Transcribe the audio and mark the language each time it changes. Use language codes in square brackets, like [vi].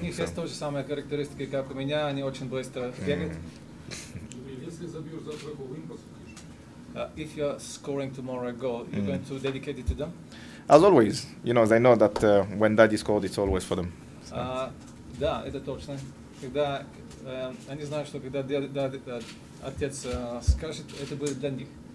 [ru] У них есть та же самая характеристика, как у меня, они очень быстро бегают. Если забьешь завтра гол, им [en] If you're scoring tomorrow a goal, you're going to dedicate it to them? As always, you know, they know that when daddy scored, it's always for them. [ru] Да, это точно. Когда они знают, что когда отец скажет, это будет для них.